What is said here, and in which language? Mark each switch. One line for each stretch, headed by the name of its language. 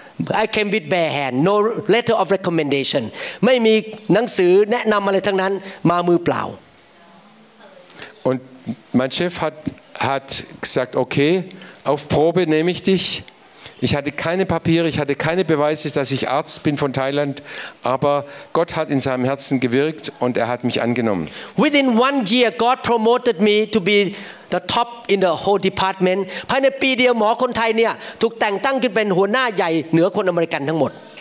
English: I came with bare hand, no letter of recommendation.
Thai: ไม่มีหนังสือแนะนำอะไรทั้งนั้นมามือเปล่า
German: Und mein Chef hat gesagt, okay, auf Probe nehme ich dich. Ich hatte keine Papiere, ich hatte keine Beweise, dass ich Arzt bin von Thailand, aber Gott hat in seinem Herzen gewirkt und er hat mich angenommen.
English: Within 1 year, God promoted me to be the top in the whole department.
Thai: ภายในปีเดียวหมอคนไทยเนี่ยถูกแต่งตั้งขึ้นเป็นหัวหน้าใหญ่เหนือคนอเมริกันทั้งหมด